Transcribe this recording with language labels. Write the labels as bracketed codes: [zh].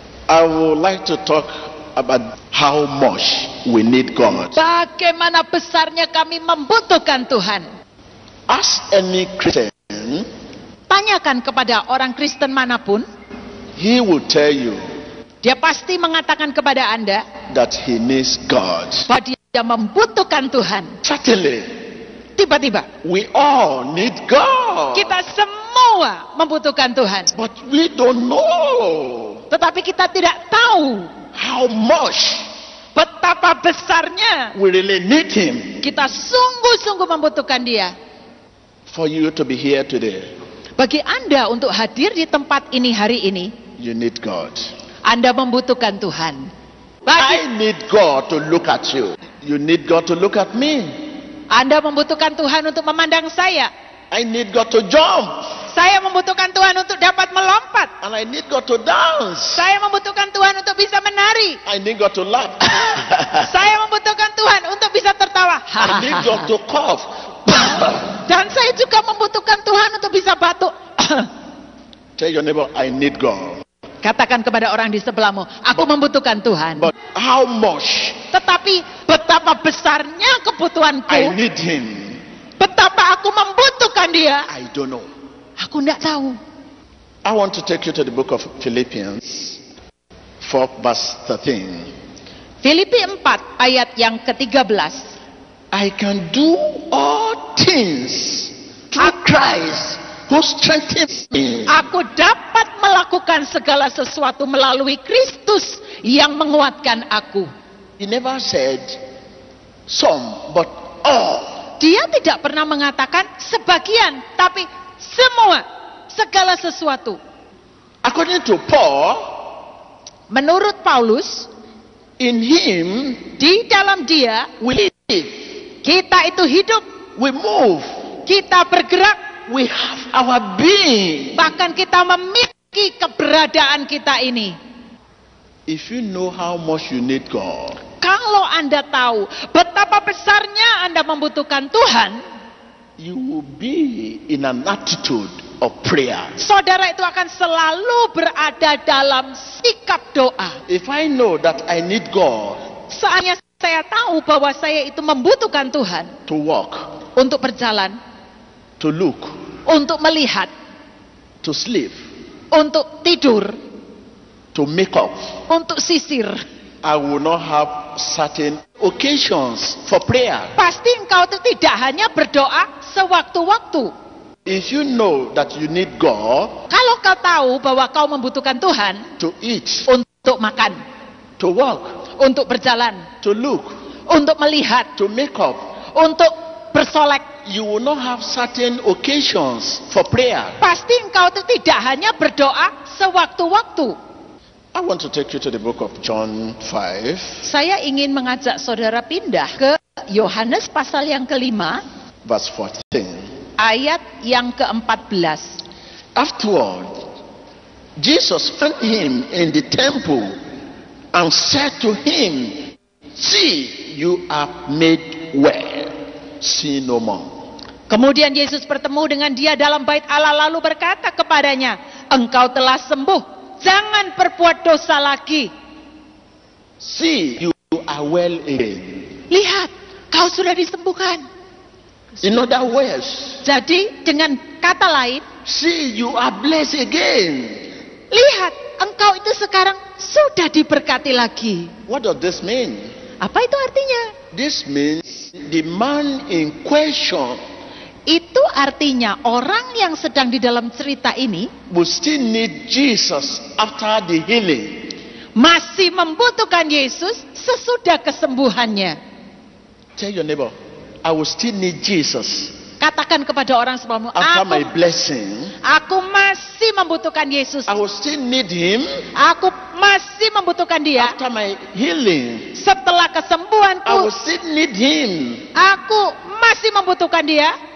[en] I would like to talk about how much we need God. [id] Bagaimana besarnya kami membutuhkan Tuhan. [en] Ask any Christian. [id] Tanyakan kepada orang Kristen manapun. [en] He will tell you. [id] Dia pasti mengatakan kepada Anda. [en] That he needs God. [id] Bahwa dia membutuhkan Tuhan. [en] Suddenly. [id] Tiba-tiba. [en] We all need God. [id] Kita semua membutuhkan Tuhan. [en] But we don't know. [id] Tetapi kita tidak tahu. [en] How much. [id] Betapa besarnya. [en] We really need him. [id] Kita sungguh-sungguh membutuhkan dia. [en] For you to be here today. [id] Bagi Anda untuk hadir di tempat ini hari ini. [en] You need God. [id] Anda membutuhkan Tuhan. Bagi, [en] I need God to look at you. You need God to look at me. [id] Anda membutuhkan Tuhan untuk memandang saya. [en] I need God to jump. [id] Saya membutuhkan Tuhan untuk dapat melompat. [en] And I need God to dance. [id] Saya membutuhkan Tuhan untuk bisa menari. [en] I need God to laugh. [id] Saya membutuhkan Tuhan untuk bisa tertawa. [en] I need God to cough. [id] Dan saya juga membutuhkan Tuhan untuk bisa batuk. [en] Tell your neighbor, I need God. [id] Katakan kepada orang di sebelahmu, aku membutuhkan Tuhan. [en] But how much? [id] Tetapi betapa besarnya kebutuhanku. [en] I need him. [id] Betapa aku membutuhkan dia. [en] I don't know. [id] Aku tidak tahu. [en] I want to take you to the book of Philippians 4 verse 13. [id] Filipi 4 ayat yang ke-13. [en] I can do all things through Christ who strengthens me. [id] Aku dapat melakukan segala sesuatu melalui Kristus yang menguatkan aku. [en] He never said some, but all. [id] Dia tidak pernah mengatakan sebagian, tapi semua, segala sesuatu. [en] According to Paul, [id] menurut Paulus, [en] in him, [id] di dalam dia, [en] we live. [id] Kita itu hidup. [en] We move. [id] Kita bergerak. [en] We have our being. [id] Bahkan kita memiliki keberadaan kita ini. [en] If you know how much you need God. [id] Kalau Anda tahu betapa besarnya Anda membutuhkan Tuhan. [en] You will be in an attitude of prayer. [id] Saudara itu akan selalu berada dalam sikap doa. [en] If I know that I need God. [id] Seandainya saya tahu bahwa saya itu membutuhkan Tuhan. [en] To walk. [id] Untuk berjalan. [en] To look. [id] Untuk melihat. [en] To sleep. [id] Untuk tidur. [en] To make up. [id] Untuk sisir. [en] I will not have certain occasions for prayer. [id] Pasti engkau itu tidak hanya berdoa sewaktu-waktu. [en] If you know that you need God. [id] Kalau kau tahu bahwa kau membutuhkan Tuhan. [en] To eat. [id] Untuk makan. [en] To walk. [id] Untuk berjalan. [en] To look. [id] untuk melihat, [en] to make up, [id] untuk bersolek. [en] You will not have certain occasions for prayer. [id] Pasti engkau tidak hanya berdoa sewaktu-waktu. [en] I want to take you to the book of John 5. [id] Saya ingin mengajak saudara pindah ke Yohanes pasal yang kelima, [en] verse 14. [id] Ayat yang ke-14. [en] Afterward, Jesus found him in the temple and said to him, "See, you are made well. See no more." [id] Kemudian Yesus bertemu dengan dia dalam bait Allah lalu berkata kepadanya, "Engkau telah sembuh. Jangan perbuat dosa lagi." [en] See, you are well again. [id] Lihat, kau sudah disembuhkan. [en] In other words, [id] jadi dengan kata lain, [en] see, you are blessed again. [id] Lihat, engkau itu sekarang sudah diberkati lagi. [en] What does this mean? [id] Apa itu artinya? [en] This means the man in question. [id] Itu artinya orang yang sedang di dalam cerita ini [en] still need Jesus after the healing. [id] Masih membutuhkan Yesus sesudah kesembuhannya. [en] Tell your neighbor, I will still need Jesus. [id] Katakan kepada orang sebelahmu, aku masih membutuhkan Yesus. [en] I will still need him. [id] Aku masih membutuhkan dia. [en] After my healing. [id] Setelah kesembuhanku. [en] I will still need him. [id] Aku masih membutuhkan dia.